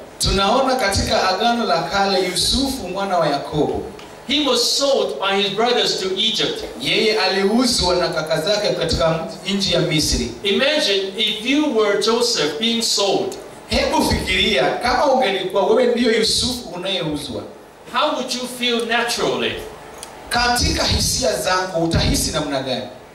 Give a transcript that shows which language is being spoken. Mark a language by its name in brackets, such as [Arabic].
[Swahili] Tunaona katika agano la kale Yusufu mwana wa Yakobo. [English] He was sold by his brothers to Egypt. [Swahili] Yeye aliuzwa na kaka zake katika nchi ya Misri. [English] Imagine if you were Joseph being sold. [Swahili] Hebu fikiria kama ungelikuwa wewe ndio Yusufu unayeuzwa. [English] How would you feel naturally? [Swahili] Katika hisia zako utahisi namna gani?